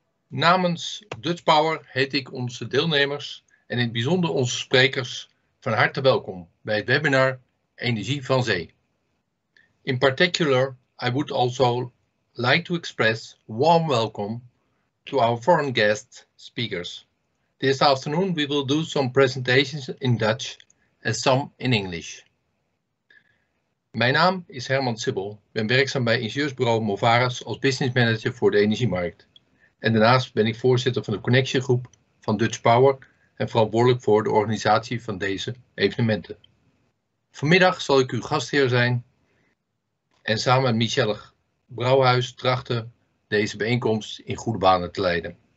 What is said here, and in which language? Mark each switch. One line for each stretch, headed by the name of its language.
Dutch: Namens Dutch Power heet ik onze deelnemers en in het bijzonder onze sprekers van harte welkom bij het webinar Energie van Zee.
English: In particular, I would also like to express warm welcome to our foreign guest speakers. This afternoon we will do some presentations in Dutch and some in English.
Dutch: Mijn naam is Herman Sibbel, ben werkzaam bij ingenieursbureau Movares als business manager voor de energiemarkt. En daarnaast ben ik voorzitter van de connectiegroep van Dutch Power en verantwoordelijk voor de organisatie van deze evenementen. Vanmiddag zal ik uw gastheer zijn en samen met Michelle Brouwhuis trachten deze bijeenkomst in goede banen te leiden.